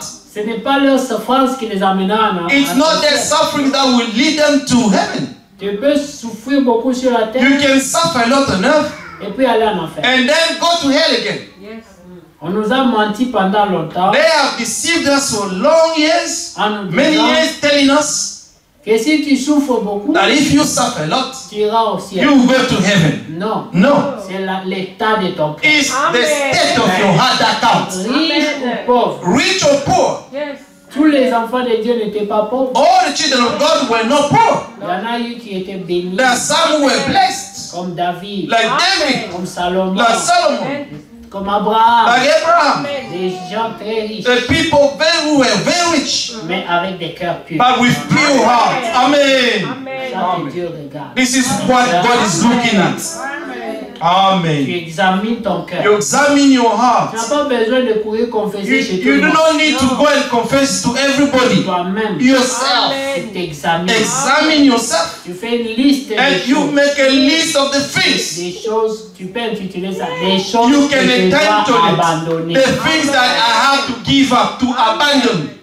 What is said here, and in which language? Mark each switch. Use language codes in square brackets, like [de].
[fr] Ce n'est pas leur souffrance qui les amène à. [en] It's not their suffering that will lead them to heaven. [fr] Tu peux souffrir beaucoup sur la terre. [en] You can suffer a lot on earth. [fr] Et puis aller en enfer. [en] And then go to hell again. Yes. [fr] On nous a menti pendant longtemps. [en] They have deceived us for long years. Many years telling us. [fr] Que si tu souffres beaucoup. [en] That if you suffer a lot. [fr] Tu iras au ciel. [en] You will go to heaven. [fr] Non. [en] No. [fr] C'est l'état de ton cœur. [en] It's the state of your heart that counts. [fr] Riche ou pauvre. [en] Rich or poor. Yes. [fr] Tous les enfants de Dieu n'étaient pas pauvres. [en] All the children of God were not poor. [fr] Il y en a eu qui étaient bénis. [en] There are some who were blessed. [fr] Comme David. [en] Like David. [fr] Comme Salomon. [en] Like Solomon. [fr] Comme Abraham. [en] Like Abraham. [fr] Des gens très riches. [en] The people very, who were very rich. [fr] Mais avec des cœurs purs. [en] But with pure heart. Amen. Amen. [fr] Dieu regarde. [en] This is what Amen. God is looking at. Amen. [fr] Tu examines ton cœur. [en] You examine your heart. [fr] Tu n'as pas besoin de courir confesser chez toi. [en] You do not need to go and confess to everybody. [fr] Toi-même. [en] Yourself. [fr] Tu examines. [en] Examine yourself. [fr] Tu fais une liste de choses. [en] And you make a list of the things. [fr] Des choses tu peux utiliser ça. Des choses [en] you can [fr] que tu dois abandonner. [en] The things that I have to give up to abandon.